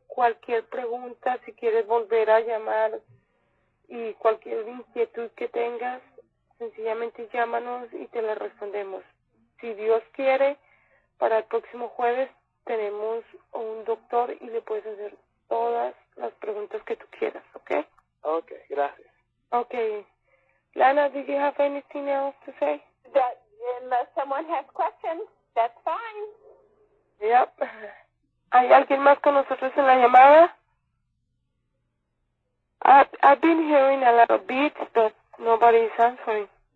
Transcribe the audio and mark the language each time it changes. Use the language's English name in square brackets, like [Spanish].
[Spanish] Cualquier pregunta, si quieres volver a llamar y cualquier inquietud que tengas, sencillamente llámanos y te la respondemos. Si Dios quiere, para el próximo jueves tenemos un doctor y le puedes hacer todas las preguntas que tú quieras, ¿ok? Ok, gracias. Ok. [English] Lana, did you have anything else to say? That unless someone has questions, that's fine. Yep. [Spanish] ¿Hay alguien más con nosotros en la llamada? [English] I've been hearing a lot of beats, but nobody's answering.